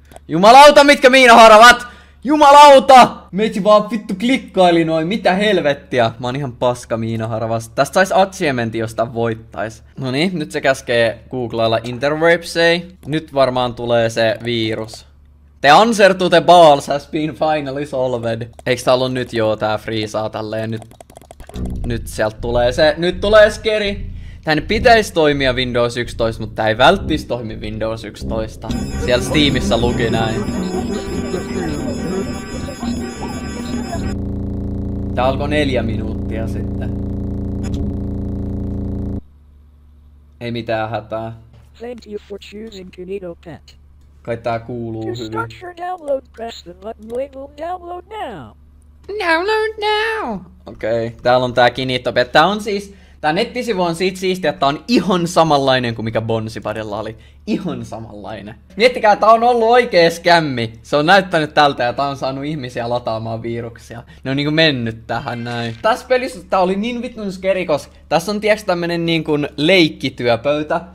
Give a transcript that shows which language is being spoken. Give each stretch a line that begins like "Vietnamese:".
Finnish: Jumalauta, mitkä miinaharavat! Jumalauta! Meitsi vaan vittu klikkaili noin, mitä helvettiä? Mä oon ihan paska miinaharavas. Tästä sais achievementi, josta voittais. Noniin, nyt se käskee googlailla interwebsei. Nyt varmaan tulee se virus.
English: The answer to the balls has been finally solved.
Finnish: Eiks tää ollu nyt joo tää friisaa tälleen nyt? Nyt sieltä tulee se, nyt tulee skeri! Tän pitäisi toimia Windows 11, mutta tää ei välttis toimi Windows 11. Siellä Steamissa luki näin. Tää alkoi 4 minuuttia sitten. Ei mitään hätää.
English: Thank you for choosing Kunito Pet.
Finnish: Kai tää kuuluu hyvin.
English: To start your download, press the button label download now. Download now!
Finnish: Okei, okay. Täällä on tää Kunito Pet. Tää on siis... Tää nettisivu on siitä siistiä, että tää on ihan samanlainen kuin mikä Bonsipadella oli. Ihan samanlainen. Miettikää, tää on ollut oikee skämmi. Se on näyttänyt tältä ja tää on saanut ihmisiä lataamaan viruksia. Ne on niinku mennyt tähän näin. Tässä pelissä tää oli niin vitun skeri, koska tässä on tiiäks tämmönen niinku leikkityöpöytä.